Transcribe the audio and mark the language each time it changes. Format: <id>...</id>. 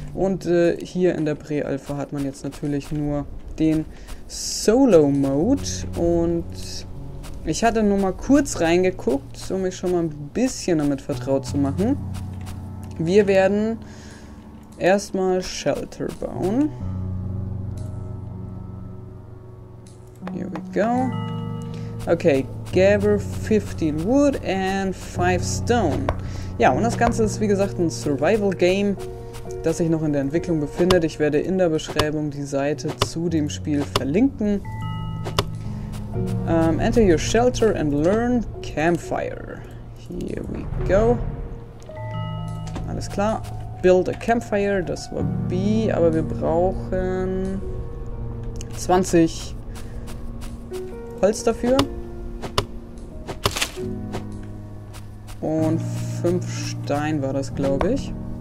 <de>Und hier in der Pre-Alpha hat man jetzt natürlich nur den Solo-Mode. Und ich hatte nur mal kurz reingeguckt, um mich schon mal ein bisschen damit vertraut zu machen. Wir werden erstmal Shelter bauen.</de> <en>Here we go. Okay, gather 15 wood and 5 stone.</en> <de>Ja, und das Ganze ist wie gesagt ein Survival Game, das sich noch in der Entwicklung befindet. Ich werde in der Beschreibung die Seite zu dem Spiel verlinken.</de> <en>Enter your shelter and learn campfire. Here we go.</en> <de>Alles klar.</de> <en>Build a campfire,</en> <de>das war B, aber wir brauchen 20 Holz dafür und 5 Stein war das, glaube ich.</de>